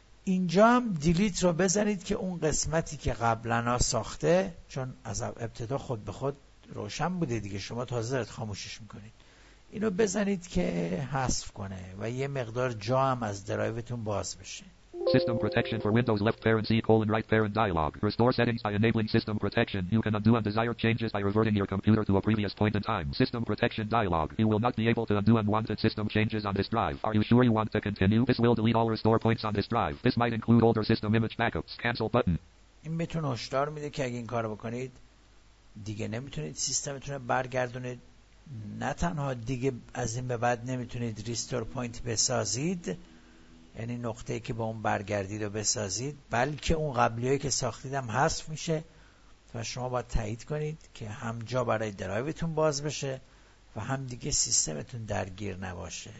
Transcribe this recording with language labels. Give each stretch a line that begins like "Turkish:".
Persian: اینجا هم دیلیت رو بزنید که اون قسمتی که قبلنا ساخته، چون از ابتدا خود به خود روشن بوده دیگه، شما تازه دارید خاموشش میکنید، اینو بزنید که حذف کنه و یه مقدار جا هم از درایوتون باز بشه.
English: System protection for Windows left parent C colon right parent dialog. Restore settings by enabling system protection. You can undo undesired changes by reverting your computer to a previous point in time. System protection dialog. You will not be able to undo unwanted system changes on this drive. Are you sure you want to continue? This will delete all restore points on this drive. This might include older system image backups. Cancel button.
Persian: این میتونه هشدار میده که اگه این کارو بکنید دیگه نمیتونید سیستمتون رو برگردونید. نه تنها دیگه از این به بعد نمیتونید ریستور پوینت بسازید، یعنی نقطه ای که با اون برگردید و بسازید، بلکه اون قبلی هایی که ساختید هم حذف میشه و شما باید تایید کنید که هم جا برای درایوتون باز بشه و هم دیگه سیستمتون درگیر نباشه.